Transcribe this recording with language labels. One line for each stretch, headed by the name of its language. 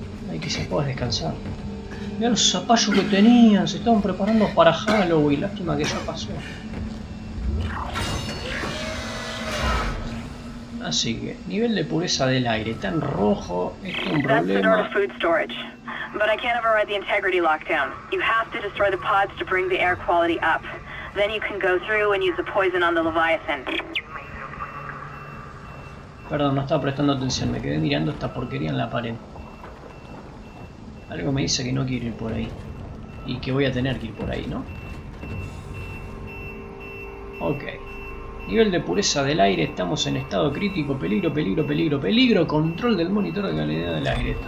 Spanish: Ay, quizás puedes descansar. Mira los zapallos que tenían, se estaban preparando para Halloween. Lástima que ya pasó. Así que, nivel de pureza del aire está en rojo, es un problema.
English: That's the door to food storage. But I can't override the integrity lockdown. You have to destroy the pods to bring the air quality up. Then you can go through and use the poison on the Leviathan.
Spanish: Perdón, no estaba prestando atención, me quedé mirando esta porquería en la pared. Algo me dice que no quiero ir por ahí. Y que voy a tener que ir por ahí, ¿no? Ok. Nivel de pureza del aire, estamos en estado crítico, peligro, peligro, peligro, peligro, control del monitor de calidad del aire.